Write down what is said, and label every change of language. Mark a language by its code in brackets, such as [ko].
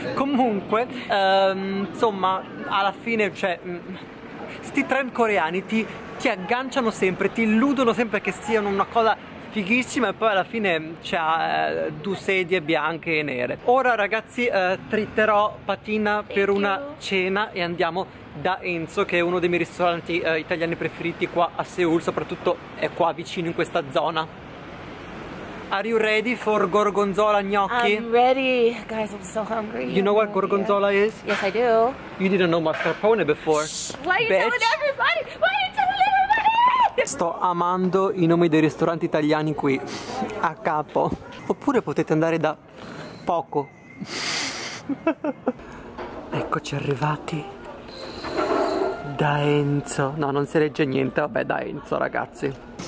[it] Comunque, insomma, alla fine, cioè, sti trend coreani ti agganciano sempre, ti illudono sempre che siano una cosa fighissima e poi alla fine c'ha due sedie bianche e nere. Ora ragazzi, tritterò Patina per una cena e andiamo da Enzo, che è uno dei miei ristoranti italiani preferiti qua a Seoul, soprattutto è qua vicino in questa zona. [en] Are you ready for gorgonzola gnocchi? I'm ready, guys, I'm so hungry. You know what gorgonzola is? Yes, I do. You didn't know mascarpone before. Shh, why are you bitch? Telling everybody? Why are you telling everybody? [it] Sto amando i nomi dei ristoranti italiani qui, a capo. Oppure potete andare da poco. Eccoci arrivati. Da Enzo. No, non si legge niente. Vabbè, da Enzo, ragazzi.